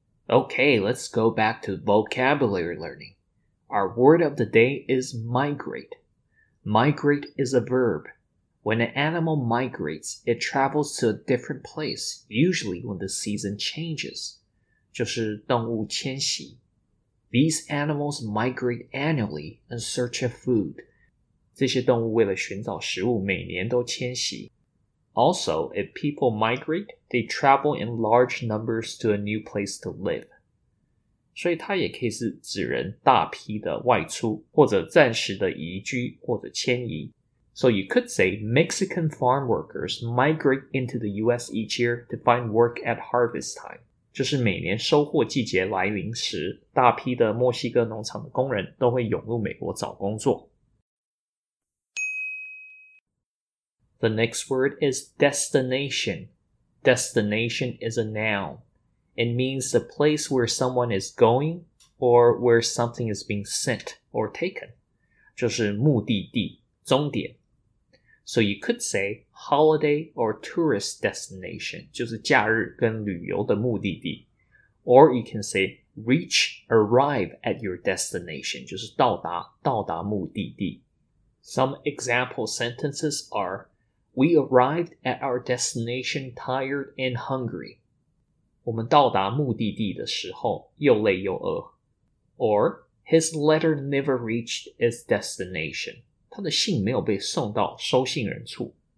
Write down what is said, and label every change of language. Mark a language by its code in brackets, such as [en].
[en] Okay, let's go back to vocabulary learning. Our word of the day is migrate. Migrate is a verb. When an animal migrates, it travels to a different place, usually when the season changes. [zh] 就是动物迁徙。 [en] These animals migrate annually in search of food. [zh] 这些动物为了寻找食物每年都迁徙。 [en] Also, if people migrate, they travel in large numbers to a new place to live. [zh] 所以它也可以是指人大批的外出或者暂时的移居或者迁移。 [en] So you could say Mexican farm workers migrate into the US each year to find work at harvest time. [zh] 就是每年收获季节来临时，大批的墨西哥农场的工人都会涌入美国找工作。 [en] The next word is destination. Destination is a noun. It means the place where someone is going or where something is being sent or taken. [zh] 就是目的地，终点。 [en] So you could say holiday or tourist destination, [zh] 就是假日跟旅游的目的地。 [en] Or you can say reach, arrive at your destination, [zh] 就是到达目的地。 [en] Some example sentences are,We arrived at our destination tired and hungry. [zh] 我们到达目的地的时候又累又饿。 [en] Or, his letter never reached its destination. [zh] 他的信没有被送到收信人处。